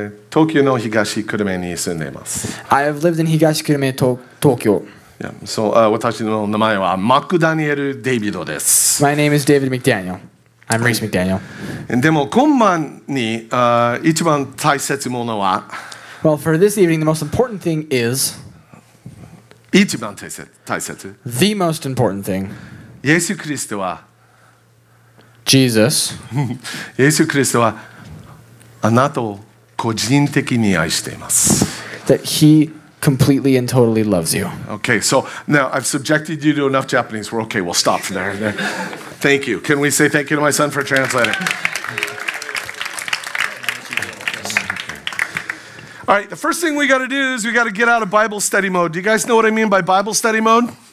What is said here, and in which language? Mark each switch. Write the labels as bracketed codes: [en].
[ja] 東京の東久留米に住んでいます。 [en] I have lived in 東久留米 Tokyo. Yeah. [ja] So, 私の名前はマクダニエル・デイビドです。 [en] My name is David McDaniel. I'm Reese McDaniel. [ja] でも今晩に一番大切なものは [en] Well, for this evening, the most important thing is [ja] 一番大切 [en] The most important thing [ja] イエス・キリストは [en] Jesus [ja] イエス・キリストはあなたを個人的に愛しています [en] That he completely and totally loves you. Okay, so now I've subjected you to enough Japanese. We're okay, we'll stop there. Thank you. Can we say thank you to my son for translating? All right, the first thing we got to do is we got to get out of Bible study mode. Do you guys know what I mean by Bible study mode?